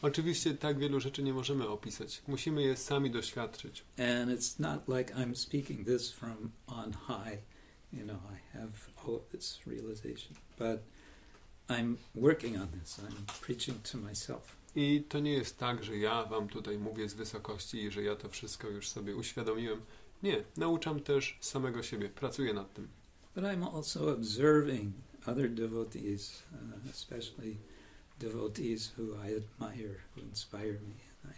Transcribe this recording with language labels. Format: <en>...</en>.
<pl>Oczywiście, tak wielu rzeczy nie możemy opisać. Musimy je sami doświadczyć.</pl> <en>And it's not like I'm speaking this from on high. You know, I have all of this realization. But I'm working on this. I'm preaching to myself.</en> <pl>I to nie jest tak, że ja wam tutaj mówię z wysokości i że ja to wszystko już sobie uświadomiłem. Nie, nauczam też samego siebie. Pracuję nad tym.</pl> <en>But I'm also observing other devotees, especially devotees who I admire, who inspire me.</en>